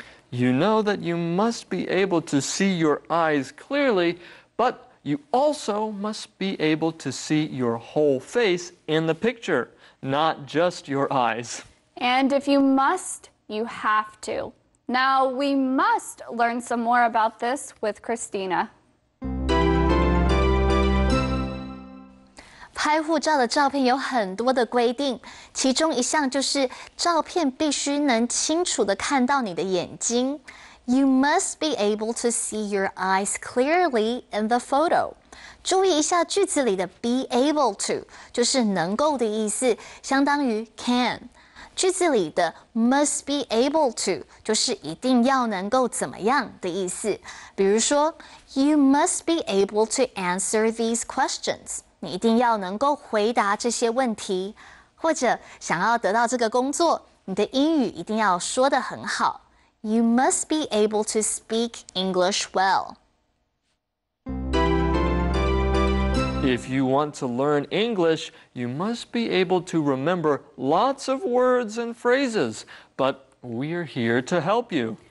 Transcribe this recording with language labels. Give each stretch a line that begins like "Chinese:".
English: You know that you must be able to see your eyes clearly, but you also must be able to see your whole face in the picture, not just your eyes. And if you must, you have to. Now, we must learn some more about this with Christina.
Chinese: 拍护照的照片有很多的规定，其中一项就是照片必须能清楚地看到你的眼睛。
English: You must be able to see your eyes clearly in the photo.
Chinese: 注意一下句子里的 be able to, 就是能够的意思，相当于 can。句子里的 must be able to 就是一定要能够怎么样的意思。比如说 ，
English: You must be able to answer these questions.
Chinese: 你一定要能够回答这些问题，或者想要得到这个工作，你的英语一定要说得很好。
English: You must be able to speak English well. If you want to learn English, you must be able to remember lots of words and phrases. But we're here to help you.